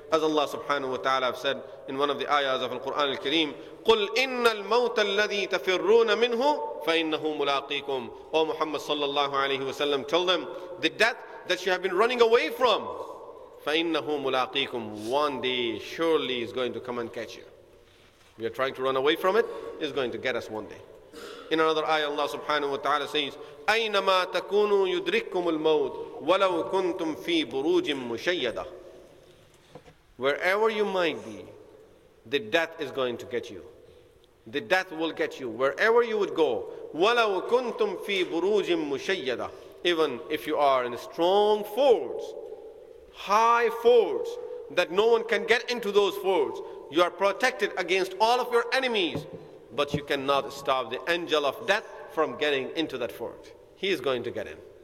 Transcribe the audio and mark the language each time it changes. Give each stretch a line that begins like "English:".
English: As Allah subhanahu wa ta'ala have said in one of the ayahs of Al-Quran Al-Kareem,
Arabic: قُلْ إِنَّ الْمَوْتَ الَّذِي تَفِرُّونَ مِنْهُ فَإِنَّهُ مُلَاقِيكُمْ.
English: O Muhammad sallallahu alayhi wa sallam, tell them, the death that you have been running away from,
Arabic: فَإِنَّهُ مُلَاقِيكُمْ,
English: one day surely is going to come and catch you. We are trying to run away from it, it's going to get us one day. In another ayah, Allah subhanahu wa ta'ala says,
Arabic: أَيْنَمَا تَكُونُوا يُدْرِكُمُ الْمَوْتِ وَلَوْ كُنْتُمْ فِي بُرُوجٍ مُشَيَّدَةٍ.
English: Wherever you might be, the death is going to get you. The death will get you wherever you would go.
Arabic: وَلَوْ كُنْتُمْ فِي بُرُوجٍ مُشَيَّدَةٍ.
English: Even if you are in strong forts, high forts, that no one can get into those forts, you are protected against all of your enemies, but you cannot stop the angel of death from getting into that fort. He is going to get in.